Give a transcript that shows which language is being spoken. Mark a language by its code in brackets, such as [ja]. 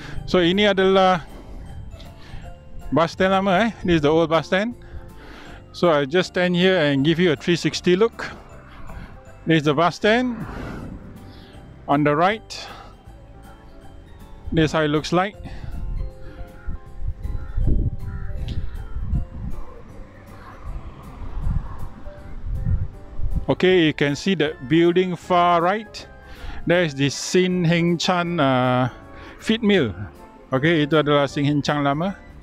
[ms] So ini adalah bus stand lama eh. [en] This is the old bus stand. So I just stand here and give you a 360 look. This is the bus stand. On the right, this is how it looks like. Okay, you can see the building far right. There is the Sin Heng Chan feed mill. [ms] Okay, itu adalah Sin Heng Chan lama.